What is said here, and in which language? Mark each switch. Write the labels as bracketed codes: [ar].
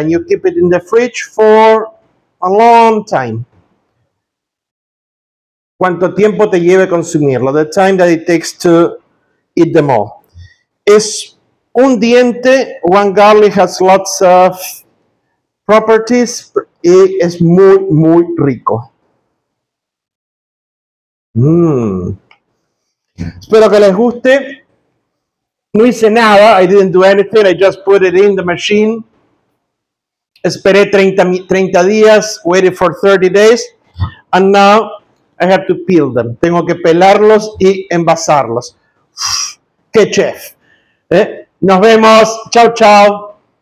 [en] And you keep it in the fridge for a long time. [es] ¿Cuánto tiempo te lleve consumirlo? [en] The time that it takes to eat them all. [es] Es un diente. [en] One garlic has lots of properties. [es] Y es muy, muy rico. Espero que les guste. No hice nada. [en] I didn't do anything. I just put it in the machine. [es] Esperé 30 días. [en] Waited for 30 days. And now I have to peel them. [es] Tengo que pelarlos y envasarlos. ¡Qué chef! Nos vemos. Chao, chao.